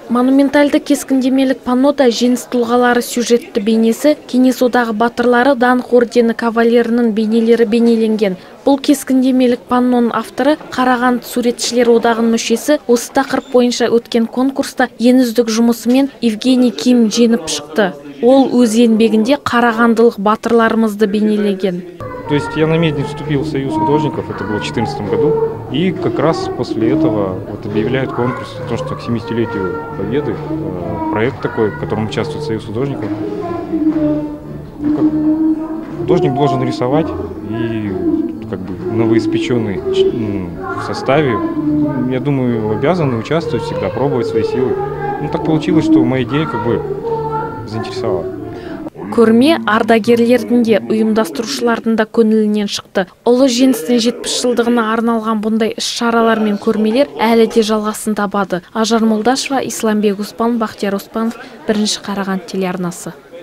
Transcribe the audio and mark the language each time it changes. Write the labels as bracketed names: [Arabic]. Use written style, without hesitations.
[Kazakh] Монументальды кескіндемелік панода жеңіс тұлғалары сюжетті бейнесі, кеңес одағы батырлары даңқ ордені кавалерінің бейнелері бейнеленген. Бұл кескіндемелік панноның авторы Қарағанды суретшілер одағының мүшесі осы тақырып бойынша өткен конкурста ең үздік жұмысымен Евгений Ким жеңіп шықты. Ол өз еңбегінде қарағандылық батырларымызды бейнелеген. [Russian] То есть я намедни вступил в Союз художников, это было в 2014 году, и как раз после этого вот объявляют конкурс, потому что к 70-летию Победы проект такой, в котором участвует Союз художников. Художник должен рисовать, и как бы новоиспеченный в составе, я думаю, обязаны участвовать всегда, пробовать свои силы. Ну так получилось, что моя идея как бы заинтересовала. [Kazakh] Көрме ардагерлердің де ұйымдастырушылардың да көңілінен шықты. Ұлы жеңістің 70 жылдығына арналған бұндай іс-шаралар мен көрмелер әлі де жалғасын табады. Ажар Молдашева, Исламбек Успан, Бахтияр Успанов, бірінші қараған телеарнасы.